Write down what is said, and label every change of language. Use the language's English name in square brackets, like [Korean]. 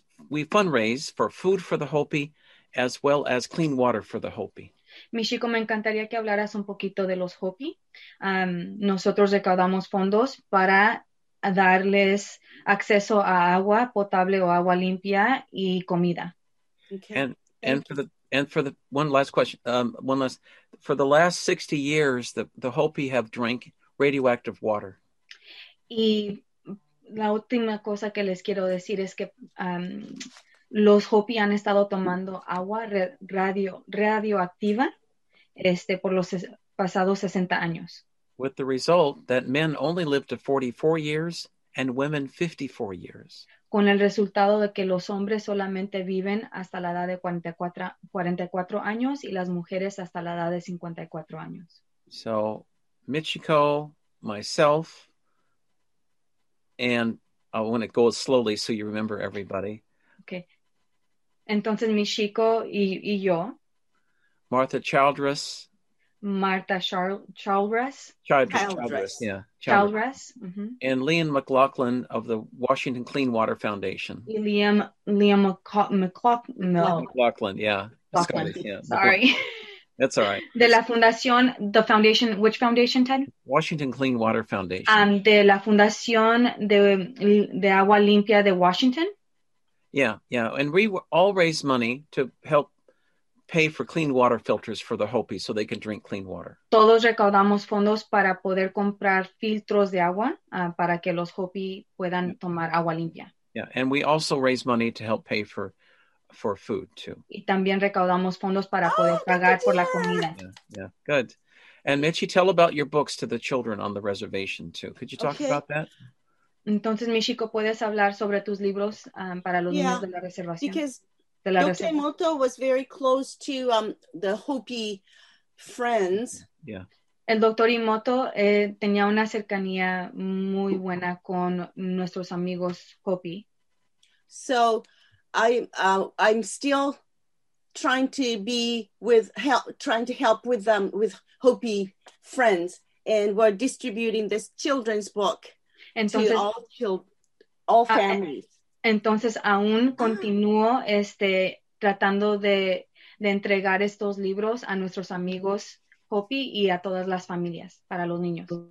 [English] We fundraise for food for the Hopi, as well as clean water for the Hopi. [Spanish] Michiko, me encantaría que hablaras un poquito de los Hopi. Nosotros recaudamos fondos para darles acceso a agua potable o agua limpia y comida. [English] Okay. For the last 60 years, the Hopi have drank radioactive water. [Spanish] Y la última cosa que les quiero decir es que los Hopi han estado tomando agua radioactiva por los pasados 60 años. [English] With the result that men only lived to 44 years and women 54 years. [Spanish] Con el resultado de que los hombres solamente viven hasta la edad de 44 años y las mujeres hasta la edad de 54 años. [English] So, Michiko, myself, and I want to go slowly so you remember everybody. [Spanish] Okay. Entonces, Michiko y yo. [English] Martha Childress. Martha Childress. Childress, yeah. Childress. Mm-hmm. And Liam McLaughlin of the Washington Clean Water Foundation. Liam McLaughlin, yeah. Sorry. That's all right. [Spanish] De la Fundación, [English] the foundation, which foundation, Ted? Washington Clean Water Foundation. [Spanish] De la Fundación de Agua Limpia de Washington. [English] Yeah, yeah. And we all raise money to help pay for clean water filters for the Hopi so they can drink clean water. [Spanish] Todos recaudamos fondos para poder comprar filtros de agua para que los Hopi puedan tomar agua limpia. [English] Yeah, and we also raise money to help pay for food too. [Spanish] Y también recaudamos fondos para poder pagar por la comida. [English] Yeah, good. And Michi, tell about your books to the children on the reservation too. Could you talk about that? [Spanish] Entonces, Michiko, puedes hablar sobre tus libros para los niños de la reservación. [English] Yokemoto was very close to the Hopi friends. Yeah. [Spanish] El doctor Imoto tenía una cercanía muy buena con nuestros amigos Hopi. [English] So I'm still trying to be trying to help with them with Hopi friends, and we're distributing this children's book to all families. [Spanish] Entonces aún continúo tratando de entregar estos libros a nuestros amigos Hopi y a todas las familias para los niños.